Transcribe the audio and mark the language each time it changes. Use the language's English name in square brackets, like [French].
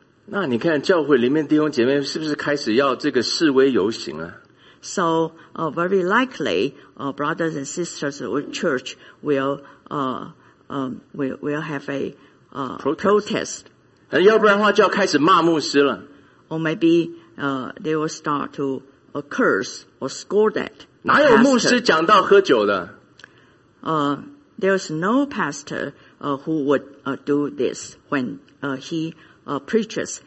[Chinese] 那你看教会里面弟兄姐妹是不是开始要这个示威游行了？ [English] So, very likely, brothers and sisters of church will have a protest. [Chinese] 要不然的话就要开始骂牧师了。 [English] Or maybe, they will start to curse or scold at. [Chinese] 哪有牧师讲到喝酒的？ [English] There's no pastor, who would do this when, he, preaches.